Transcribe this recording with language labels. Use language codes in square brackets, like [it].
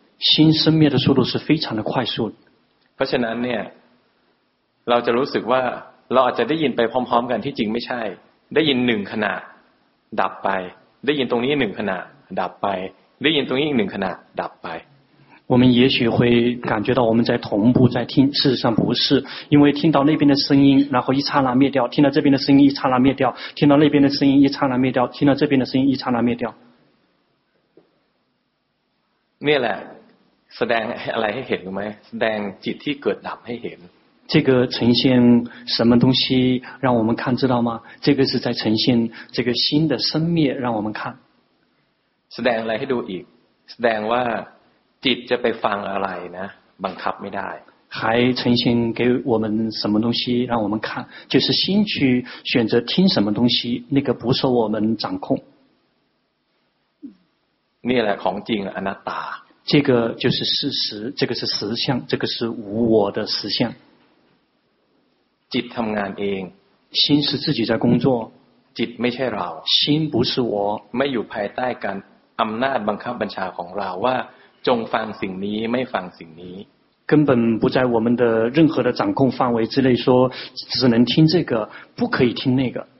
[zh] 心生灭的速度是非常的快速 [th] เพราะฉะนั้นเนี่ยเราจะรู้สึกว่าเราอาจจะได้ยินไปพร้อมๆกันที่จริงไม่ใช่ได้ยินหนึ่งขณะดับไปได้ยินตรงนี้หนึ่งขณะดับไปได้ยินตรงนี้อีกหนึ่งขณะดับไป [zh] 我们也许会感觉到我们在同步在听事实上不是因为听到那边的声音然后一刹那灭掉听到这边的声音一刹那灭掉听到那边的声音一刹那灭掉听到这边的声音一刹那灭掉灭了 [th] แสดงอะไรให้เห็นไหมแสดงจิตที่เกิดดับให้เห็น [zh] 这个呈现什么东西让我们看知道吗这个是在呈现这个心的生灭让我们看 [th] แสดงอะไรให้ดูอีกแสดงว่าจิตจะไปฟังอะไรนะบังคับไม่ได้ [zh] 还呈现给我们什么东西让我们看就是心去选择听什么东西那个不受我们掌控 [th] นี่แหละของจริงอนัตตา [zh] 这个就是事实这个是实相这个是无我的实相 [th] จิตทำงานเอง [zh] 心是自己在工作 [th] จิตไม่ใช่เรา [zh] 心不是我 [th] ไม่อยู่ภายใต้การอำนาจบังคับบัญชาของเราว่าจงฟังสิ่งนี้ไม่ฟังสิ่งนี้ [zh] 根本不在我们的任何的掌控范围之内说只能听这个不可以听那个